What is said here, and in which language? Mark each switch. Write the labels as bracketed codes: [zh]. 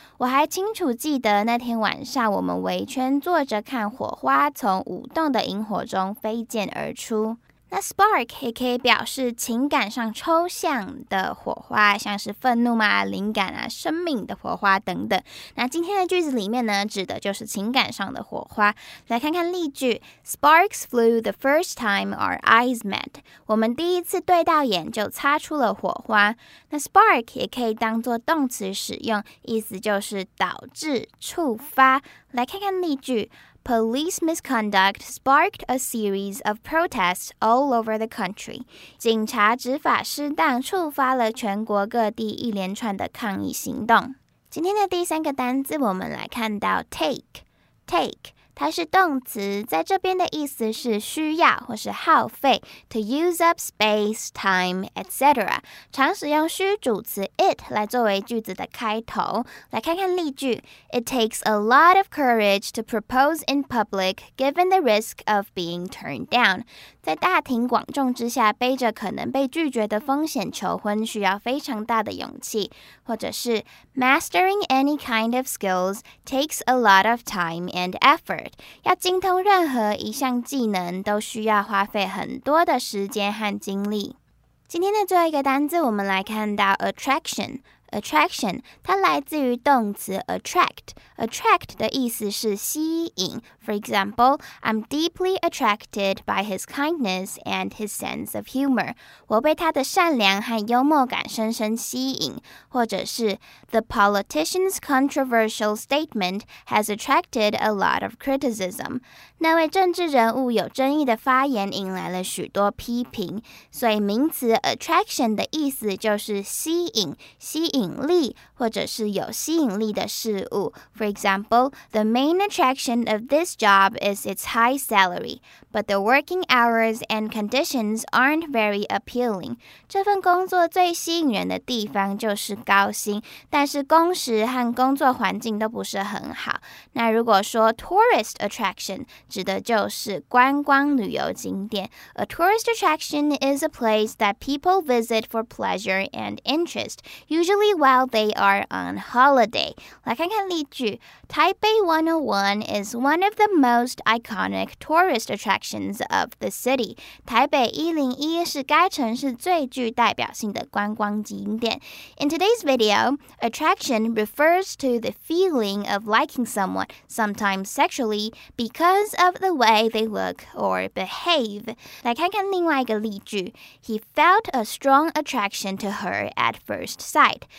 [zh] 我还清楚记得那天晚上，我们围圈坐着看火花从舞动的萤火中飞溅而出。那 spark 也可以表示情感上抽象的火花，像是愤怒嘛、灵感啊、生命的火花等等。那今天的句子里面呢，指的就是情感上的火花。来看看例句 [en] ：Sparks flew the first time our eyes met。 [zh] 我们第一次对到眼就擦出了火花。那 spark 也可以当作动词使用，意思就是导致、触发。来看看例句。 [en] Police misconduct sparked a series of protests all over the country. [zh] 警察执法失当触发了全国各地一连串的抗议行动。今天的第三个单字，我们来看到 take。take 它是动词，在这边的意思是需要或是耗费 [en] to use up space, time, etc. [zh] 常使用虚主词 it 来作为句子的开头。来看看例句 [en] It takes a lot of courage to propose in public given the risk of being turned down. [zh] 在大庭广众之下背着可能被拒绝的风险求婚需要非常大的勇气。或者是 [en] Mastering any kind of skills takes a lot of time and effort. [zh] 要精通任何一项技能都需要花费很多的时间和精力。今天的最后一个单字，我们来看到 attraction。Attraction 它来自于动词 attract。 Attract 的意思是吸引。 [en] For example, I'm deeply attracted by his kindness and his sense of humor. [zh] 我被他的善良和幽默感深深吸引。或者是 [en] The politician's controversial statement has attracted a lot of criticism. [zh] 那位政治人物有争议的发言引来了许多批评。所以名词 attraction 的意思就是吸引，吸引引力或者是有吸引力的事物。 [en] For example, the main attraction of this job is its high salary, but the working hours and conditions aren't very appealing. [zh] 这份工作最吸引人的地方就是高薪，但是工时和工作环境都不是很好。那如果说 tourist attraction 指的就是观光旅游景点。 [en] A tourist attraction is a place that people visit for pleasure and interest, usually while they are on holiday. [zh] 来看看例句 [en] Taipei 101 is one of the most iconic tourist attractions of the city. [zh] 台北101是该城市最具代表性的观光景点。 [en] In today's video, attraction refers to the feeling of liking someone, sometimes sexually, because of the way they look or behave. [zh] 来看看另外一个例句 [en] He felt a strong attraction to her at first sight.